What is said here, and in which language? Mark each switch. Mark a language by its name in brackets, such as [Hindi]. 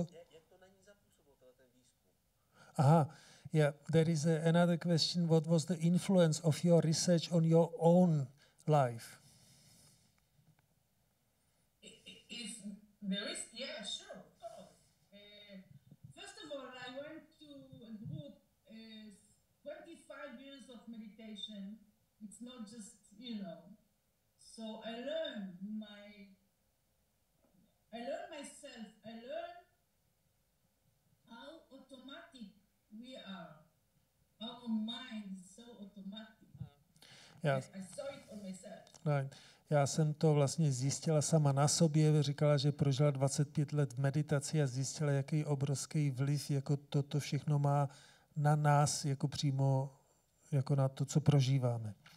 [Czech] Jak to na ní zapůsobilo, tohle ten výzkum? [English] Aha, yeah, there is another question. What was the influence of your research on your own life? If there is, yeah, sure, of course. First of all, I went to a group, 25 years of meditation. It's not just, you know. So I learned my... I learn myself, I learn how automatic we are. Our mind is so automatic. Yeah. I saw it on myself. Right. [Czech] Já jsem to vlastně zjistila sama na sobě, říkala, že prožila 25 let v meditaci a zjistila, jaký obrovský vliv jako toto všechno má na nás, jako přímo jako na to, co prožíváme.